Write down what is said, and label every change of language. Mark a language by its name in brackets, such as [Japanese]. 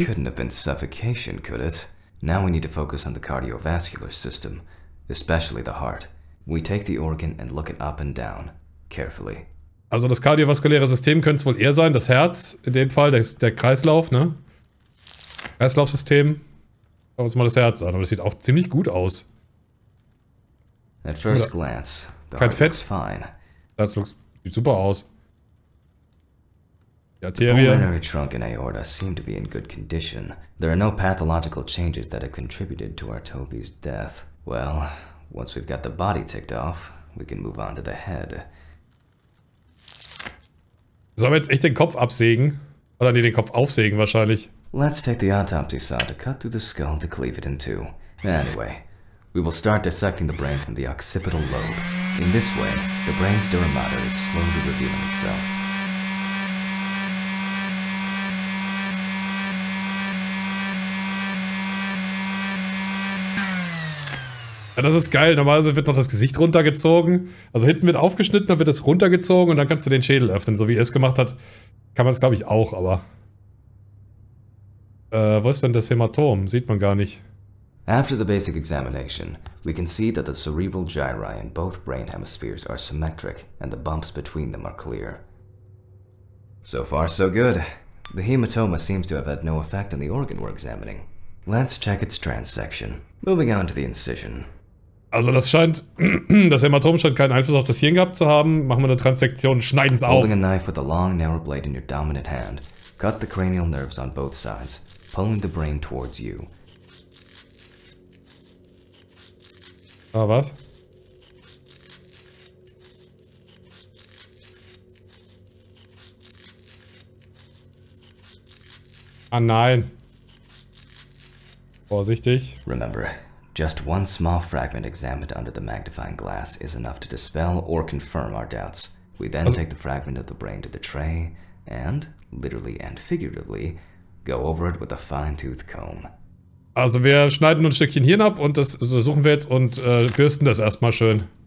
[English] It couldn't have been suffocation, could it? Now we need to focus on the cardiovascular system, especially the heart. We take the organ and look it up and down, carefully. [German] Also das kardiovaskuläre System könnte es wohl eher sein, das Herz in dem Fall, der Kreislauf, ne? Kreislaufsystem. Schauen wir uns mal das Herz an, aber das sieht auch ziemlich gut aus. [English] At first glance, the [German] kein [English] heart [German] Fett. [English] Fine. [German] Das sieht super aus. Die Arterien. [English] The pulmonary trunk and aorta seem to be in good condition. There are no pathological changes that have contributed to our Toby's death. Well, once we've got the body ticked off, we can move on to the head. [German] Sollen wir jetzt echt den Kopf absägen? Oder nee, den Kopf aufsägen wahrscheinlich. [English] Let's take the autopsy saw to cut through the skull to cleave it in two. Anyway, we will start dissecting the brain from the occipital lobe. In this way, the brain's dura mater is slowly revealing itself. [German] Ja, das ist geil. Normalerweise wird noch das Gesicht runtergezogen. Also hinten wird aufgeschnitten, dann wird es runtergezogen und dann kannst du den Schädel öffnen. So wie er es gemacht hat, kann man es glaube ich auch, aber... wo ist denn das Hämatom? Sieht man gar nicht. [English] After the basic examination, we can see that the cerebral gyri in both brain hemispheres are symmetric and the bumps between them are clear. So far so good. The hematoma seems to have had no effect on the organ we're examining. Let's check its transection. Moving on to the incision. [German] Also das scheint, das Hämatom scheint keinen Einfluss auf das Hirn gehabt zu haben. Machen wir eine Transektion, schneiden es auf. [English] Holding a knife with a long, narrow blade in your dominant hand. Cut the cranial nerves on both sides, pulling the brain towards you. [German] Ah, was? Ah, nein. Vorsichtig. [English] Remember, just one small fragment examined under the magnifying glass is enough to dispel or confirm our doubts. We then take the fragment of the brain to the tray and, literally and figuratively, go over it with a fine-tooth comb. [German] Also wir schneiden ein Stückchen Hirn ab und das suchen wir jetzt und bürsten das erstmal schön.